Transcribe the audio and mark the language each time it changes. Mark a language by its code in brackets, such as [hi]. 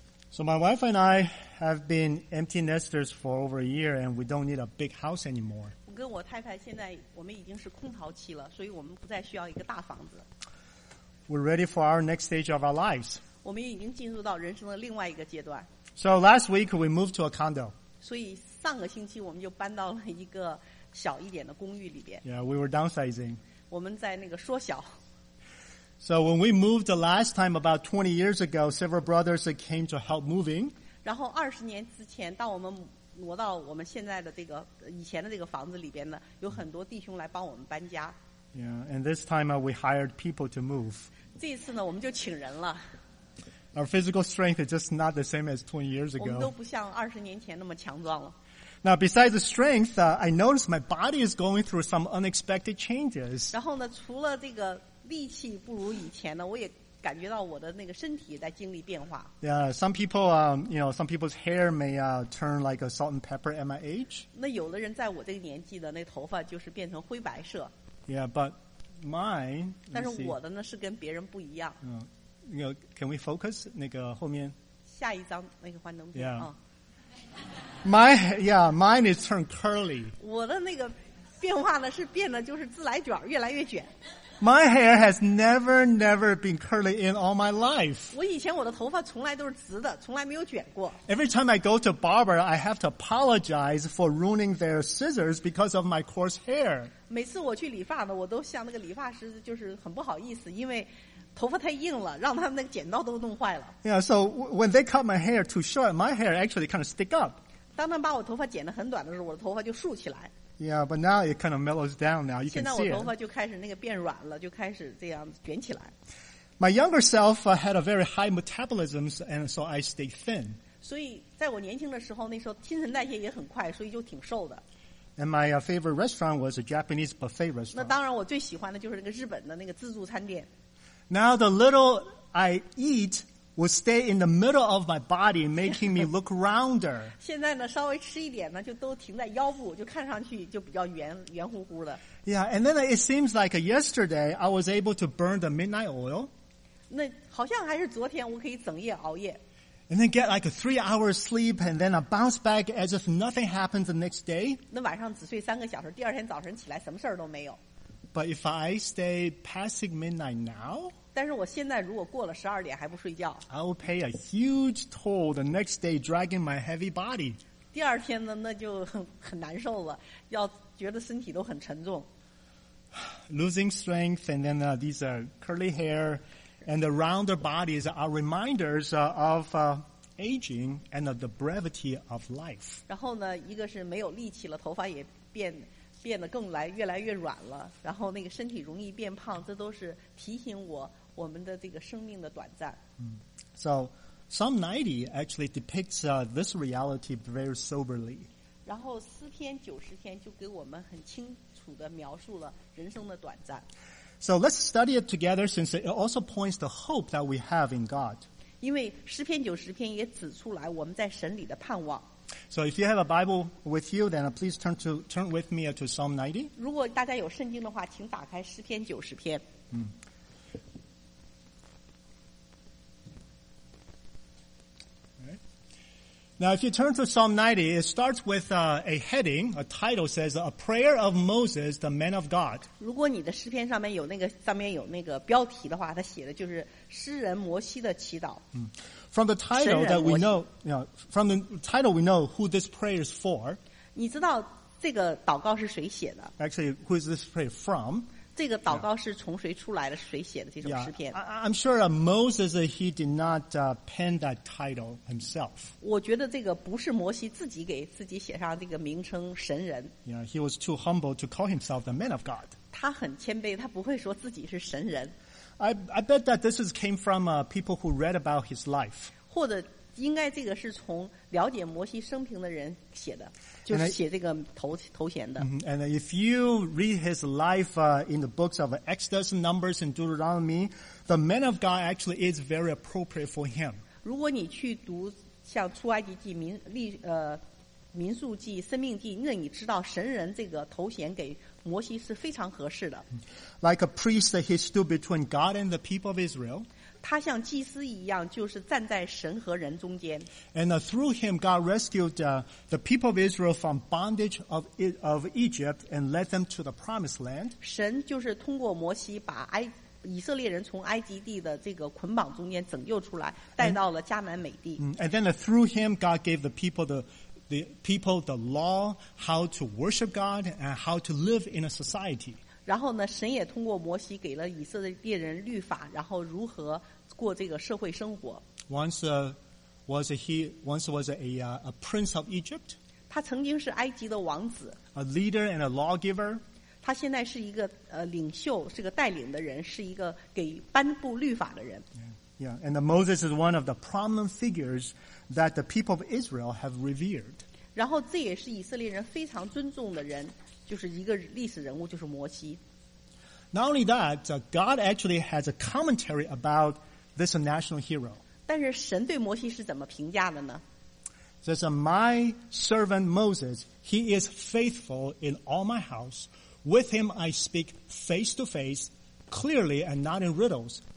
[en] So my wife and I have been empty nesters for over a year, and we don't need a big house anymore. [zh] 我跟我太太现在我们已经是空巢期了，所以我们不再需要一个大房子。 [en] We're ready for our next stage of our lives. [zh] 我们已经进入到人生的另外一个阶段。 [en] So last week we moved to a condo. [zh] 所以上个星期我们就搬到了一个小一点的公寓里边。 [en] Yeah, we were downsizing. [zh] 我们在那个缩小。 [en] So when we moved the last time about 20 years ago, several brothers came to help moving. [zh] 然后二十年之前，当我们挪到我们现在的这个以前的这个房子里边呢，有很多弟兄来帮我们搬家。 [en] Yeah, and this time we hired people to move. [zh] 这次呢，我们就请人了。 [en] Our physical strength is just not the same as 20 years ago. [zh] 我们都不像二十年前那么强壮了。 [en] Now, besides the strength, I noticed my body is going through some unexpected changes. [zh] 然后呢，除了这个。力气不如以前呢，我也感觉到我的那个身体在经历变化。 [en] Yeah, some people, some people's hair may turn like a salt and pepper at my age. [zh] 那有的人在我这个年纪的那头发就是变成灰白色。 [en] Yeah, but mine. [zh] 但是我的呢是跟别人不一样。嗯，那个 ， [en] can we focus [zh] 那个后面？下一张那个幻灯片啊。 [en] Mine is turned curly. [zh] 我的那个变化呢是变得就是自来卷，越来越卷。 [en] My hair has never been curly in all my life. [zh] 我以前我的头发从来都是直的，从来没有卷过。 [en] Every time I go to barber, I have to apologize for ruining their scissors because of my coarse hair. [zh] 每次我去理发呢，我都向那个理发师就是很不好意思，因为头发太硬了，让他们那个剪刀都弄坏了。 [en] Yeah, so when they cut my hair too short, my hair actually kind of stick up. [zh] 当他们把我头发剪得很短的时候，我的头发就竖起来。 [en] Yeah, but now it kind of mellows down now. You can see it. [zh] 现在我头发就开始那个变软了，就开始这样卷起来。 [en] My younger self had a very high metabolism, and so I stayed thin. [zh] 所以在我年轻的时候，那时候新陈代谢也很快，所以就挺瘦的。 [en] And my favorite restaurant was a Japanese buffet restaurant. [zh] 那当然，我最喜欢的就是那个日本的那个自助餐店。 [en] Now the little I eat will stay in the middle of my body, making me look rounder. [zh] 现在呢，稍微吃一点呢，就都停在腰部，就看上去就比较圆乎乎的。 [en] Yeah, and then it seems like yesterday I was able to burn the midnight oil. [zh] 那好像还是昨天我可以整夜熬夜。 [en] And then get like a 3 hours sleep, and then I bounce back as if nothing happened the next day. [zh] 那晚上只睡三个小时，第二天早晨起来什么事儿都没有。 [en] But if I stay past midnight now. [zh] 但是我现在如果过了十二点还不睡觉 [en] ，I will pay a huge toll the next day dragging my heavy body. [zh] 第二天呢，那就很难受了，要觉得身体都很沉重。 [en] Losing strength and then these curly hair and the rounder bodies are reminders of aging and the brevity of life. [zh] 然后呢，一个是没有力气了，头发也变得更来越来越软了，然后那个身体容易变胖，这都是提醒我。我们的这个生命的短暂。 [en] So, Psalm 90 actually depicts this reality very soberly. [zh] 然后诗篇九十篇就给我们很清楚地描述了人生的短暂。 [en] So let's study it together, since it also points the hope that we have in God. [zh] 因为诗篇九十篇也指出来我们在神里的盼望。 [en] So if you have a Bible with you, then please turn with me to Psalm 90. [zh] 如果大家有圣经的话，请打开诗篇九十篇。 [en] Now, if you turn to Psalm 90, it starts with a heading, a title says, A Prayer of Moses, the Man of God. [zh] 如果你的诗篇上面有那个标题的话，它写的就是诗人摩西的祈祷。 [en] From the title that we know, you know, from the title we know who this prayer is for. [zh] 你知道这个祷告是谁写的？ [en] Actually, who is this prayer from? [zh] 这个祷告是从谁出来的？谁写的这种诗篇 [en] yeah, I'm sure Moses, he did not pen that title himself. [zh] 我觉得这个不是摩西自己给自己写上这个名称神人。 [en] Yeah, he was too humble to call himself the man of God. [zh] 他很谦卑，他不会说自己是神人。 [en] I bet that this came from people who read about his life. [zh] 或者应该这个是从了解摩西生平的人写的，就是写这个头衔的。 [en] And if you read his life in the books of Exodus, Numbers, and Deuteronomy, the man of God actually is very appropriate for him. [zh] 如果你去读像出埃及记、民历民数记、生命记，因为你知道神人这个头衔给摩西是非常合适的。 [en] Like a priest, he stood between God and the people of Israel. [zh] 他像祭司一样，就是站在神和人中间。 [en] And through him, God rescued the people of Israel from bondage of Egypt and led them to the promised land. [zh] 神就是通过摩西把以色列人从埃及地的这个捆绑中间拯救出来，带到了迦南美地。 [en] And then through him, God gave the people the law, how to worship God, and how to live in a society. [zh] 然后呢，神也通过摩西给了以色列人律法，然后如何过这个社会生活。 [en] Once was a prince of Egypt. [zh] 他曾经是埃及的王子。 [en] A leader and a lawgiver. [zh] 他现在是一个领袖，是个带领的人，是一个给颁布律法的人。 [en] Yeah, and Moses is one of the prominent figures that the people of Israel have revered. [zh] 然后这也是以色列人非常尊重的人，就是一个历史人物，就是摩西。 [en] Not only that, God actually has a commentary about this national hero. [zh] 但是神对摩西是怎么评价的呢？ [en] Says, "My servant Moses, he is faithful in all my house. With him I speak face to face, clearly and not in riddles."